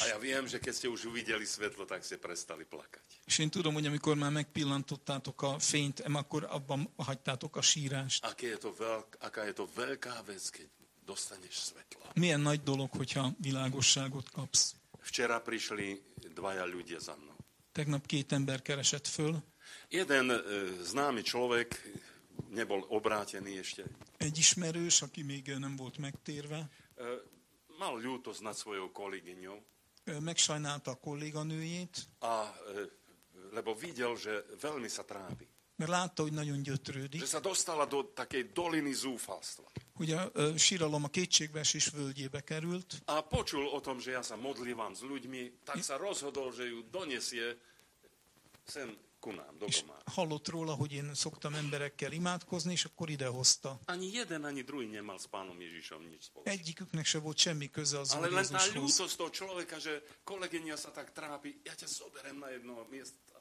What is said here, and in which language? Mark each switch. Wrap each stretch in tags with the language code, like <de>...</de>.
<sk>A ja viem, že keď ste už uvideli svetlo, tak ste prestali plakať.</sk> <hu>És én tudom, hogy amikor már megpillantottátok a fényt, akkor abban hagytátok a sírást.</hu> <sk>Aká je to veľká vec, keď dostaneš svetlo.</sk> <hu>Milyen nagy dolog, hogyha világosságot kapsz.</hu> <sk>Včera prišli dvaja ľudia za mnou.</sk> <hu>Tegnap 2 ember keresett föl.</hu> <sk>Jeden známy človek nebol obrátený ešte.</sk> <hu>Egy ismerős, aki még nem volt megtérve.</hu> <sk>Mal ľútosť nad svojou kolegyňou.</sk> <hu>Megsajnálta a kolléganőjét.</hu> <sk>A lebo videl, že veľmi sa trápi.</sk> <hu>Mert látta, hogy nagyon gyötrődik.</hu> <sk>Že sa dostala do takej doliny zúfalstva.</sk> <hu>Ugye síralom a kétségbeesés völgyébe került.</hu> <sk>A počul o tom, že ja sa modlívam s ľuďmi, tak sa rozhodol, že ju donesie sem ku nám, do doma.</sk> <hu>Hallott róla, hogy én szoktam emberekkel imádkozni, és akkor ide hozta.</hu> <sk>Ani jeden, ani druhý nemal s pánom Ježišom nič spoločné.</sk> <hu>Egyiküknek se volt semmi köze az Úr Jézushoz.</hu> <sk>Ale len tá ľútosť toho človeka, že kolegyňa sa tak trápi, ja ťa zoberem na jedno miesto.</sk>